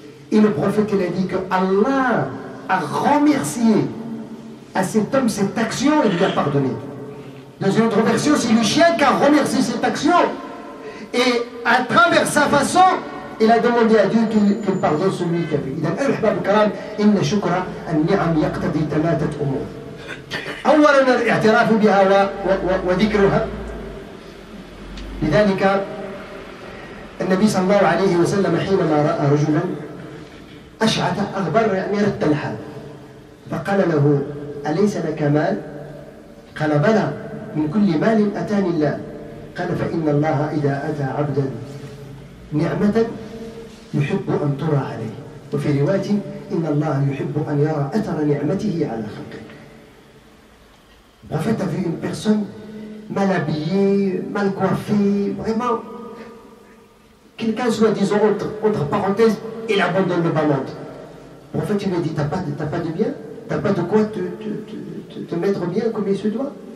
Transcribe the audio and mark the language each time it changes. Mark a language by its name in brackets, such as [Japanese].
[French] Et le prophète, il a dit que Allah a remercié à cet homme cette action et lui a pardonné. Dans une autre version, c'est le chien qui a remercié cette action. Et à travers sa façon, il a demandé à Dieu qu'il pardonne celui qui a fait. [Arabic] Donc, al-hubab al-karam, inna shukra al-ni'am yaqtadi talatat umur. أولاً الاعتراف بها وذكرها. لذلك النبي صلى الله عليه وسلم حينما رأى رجلاً أشعث أغبر يعني رد الحال فقال له أليس لك مال؟ قال بلى من كل مال أتاني الله. قال فإن الله إذا أتى عبداً نعمة يحب أن ترى عليه وفي رواية إن الله يحب أن يرى أثر نعمته على خلقه. [French] En fait, tu as vu une personne mal habillée, mal coiffée, vraiment. Quelqu'un soit disant entre parenthèses, il abandonne le bas-monde. En fait, il me dit, t'as pas de bien, t'as pas de quoi te mettre bien comme il se doit.